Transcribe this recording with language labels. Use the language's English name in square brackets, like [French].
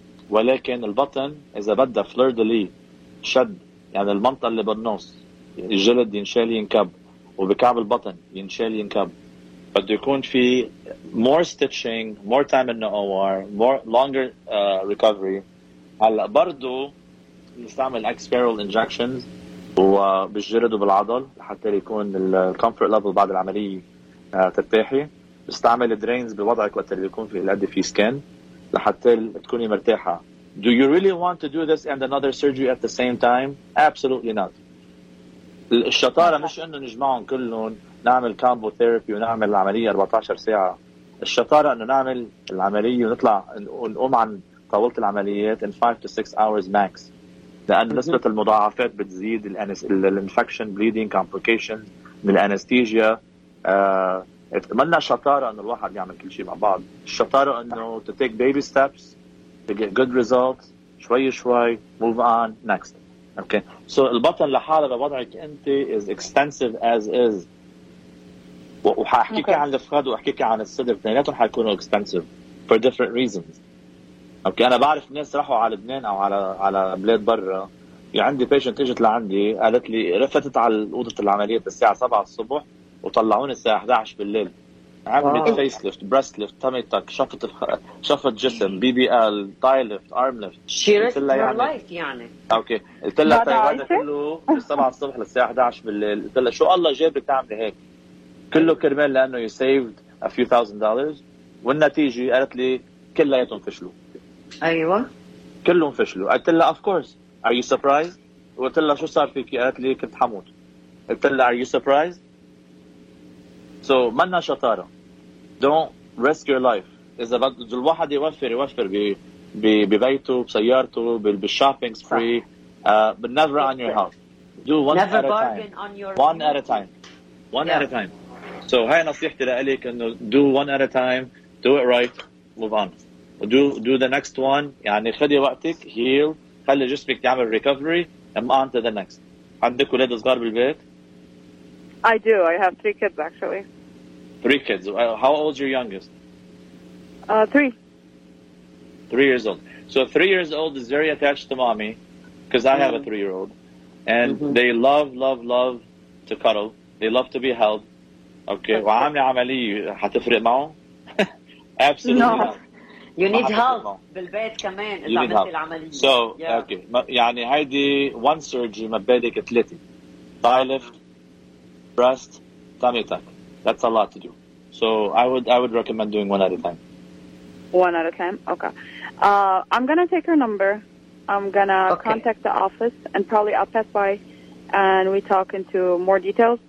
[Arabic] ولكن البطن إذا بدأ فلور دلي شد يعني المنطقة اللي بالنص الجلد ينشال ينكب وبكعب البطن ينشال ينكب بده يكون في more stitching more time in the OR more longer recovery هلا برضو نستعمل expiral injections وبالجلد وبالعضل حتى يكون الكمفورت ليفل بعد العملية ترتاحي استعمل درينز بوضعك وقت اللي يكون في الادي في سكان لحتى تكوني مرتاحه [English] Do you really want to do this and another surgery at the same time? Absolutely not. [Arabic] الشطارة مش إنه نجمعهم كلهم نعمل كامبو ثيرابي ونعمل العملية 14 ساعة. الشطارة إنه نعمل العملية ونطلع ونقوم عن طاولة العمليات in 5 to 6 hours max. لأن نسبة المضاعفات بتزيد, الانفكشن بليدنج كومبليكيشن من الأنستيجيا. اتمنى شطارة إنه الواحد يعمل كل شيء مع بعض. [English] الشطارة إنه to take baby steps to get good results, شوي شوي move on next. Okay. So البطن لحاله بوضعك أنت is extensive as is. [Arabic] وححكيك عن الفخذ وححكيك عن الصدر, اثنيناتهم حيكونوا extensive for different reasons. أوكي. أنا بعرف ناس راحوا على لبنان أو على بلاد برا. عندي patient اجت لعندي قالت لي رفتت على أوضة العملية الساعة 7 الصبح وطلعوني الساعة 11 بالليل. [English] عملت face lift, breast lift, tummy tuck, شفت جسم, BBL, thigh lift, arm lift. She risked her life يعني. [Arabic] أوكي. قلت لها طيب هذا كله من 7 الصبح للساعة 11 بالليل. قلت لها شو الله جابك تعملي هيك؟ كله كرمال لأنه you saved a few thousand dollars. والنتيجة قالت لي كلياتهم فشلوا. أيوة. كلهم فشلوا. قلت لها of course. [English] Are you surprised? [Arabic] قلت لها شو صار فيكي؟ قالت لي كنت حموت. [English] قلت لها are you surprised? [Arabic] So منا شطارة. [English] Don't risk your life. [Arabic] إذا بده الواحد يوفر يوفر ببيته بسيارته بالشوبينج فري. [English] But never on your health. Do one never at a time. One at a time. So هاي نصيحتي لك إنه do one at a time. Do it right. Move on. Do the next one. يعني خدي وقتك. Heal. [Arabic] خلي جسمك يعمل recovery. [English] And move on to the next. عندك ولاد صغار بالبيت؟ I do. I have 3 kids, actually. 3 kids. How old is your youngest? 3 years old. So a 3-year-old old is very attached to mommy, because I have a 3-year-old. And they love to cuddle. They love to be held. Okay. [Arabic] وعاملي عملية هتفرق معهم؟ Absolutely not. [English] You need help. [Arabic] بالبيت كمان إذا عملت العملية. [English] So, okay. [Arabic] يعني هيدي one surgery ما بدك ثلاثة. [English] Thigh lift, breast, tummy tuck. That's a lot to do. So I would recommend doing one at a time. One at a time? Okay. I'm going to take her number. I'm going to contact the office, and probably I'll pass by, and we talk into more details.